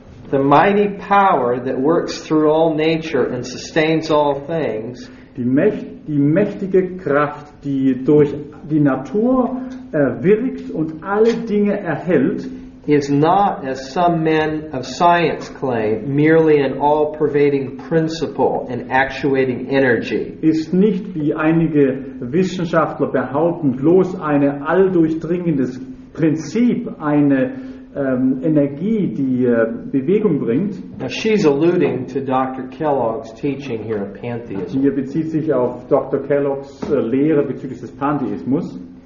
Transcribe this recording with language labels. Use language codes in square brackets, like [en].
[en] The mighty power that works through all nature and sustains all things. [de] Die mächtige Kraft, die durch die Natur wirkt und alle Dinge erhält, [en] is not, as some men of science claim, merely an all-pervading principle and actuating energy. [de] Ist nicht, wie einige Wissenschaftler behaupten, bloß ein alldurchdringendes Prinzip, eine Energie, die Bewegung bringt. [en] Now she's alluding to Dr. Kellogg's teaching here of pantheism. [de] Hier bezieht sich auf Dr. Kellogg's Lehre bezüglich des Pantheismus.